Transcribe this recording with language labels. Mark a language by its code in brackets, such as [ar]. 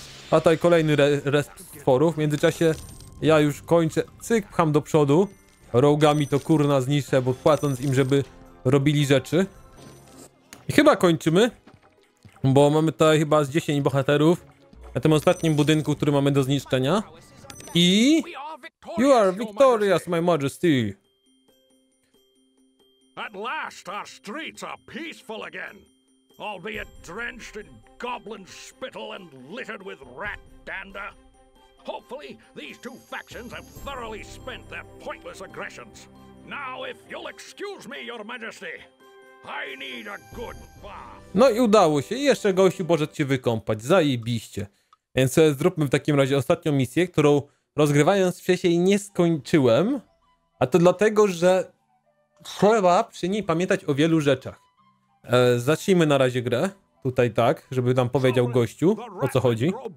[pl] A tutaj kolejny resp stworów. W międzyczasie ja już kończę, cyk, pcham do przodu. Rogami to kurna zniszczę, bo płacąc im, żeby robili rzeczy. I chyba kończymy, bo mamy tutaj chyba z 10 bohaterów. Na tym ostatnim budynku, który mamy do zniszczenia. I... [en] You are victorious, my majesty! At last, our streets are peaceful again. Albeit drenched in goblin spittle and littered with rat dander. Hopefully, these two factions have thoroughly spent their pointless aggressions. Now, if you'll excuse me, your majesty, I need a good bath. [pl] No i udało się. Jeszcze gościu poszedł się wykąpać. Zajebiście. Więc zróbmy w takim razie ostatnią misję, którą rozgrywając wcześniej nie skończyłem. A to dlatego, że trzeba przy niej pamiętać o wielu rzeczach. Zacznijmy na razie grę. Tutaj tak, żeby nam powiedział gościu, o co chodzi.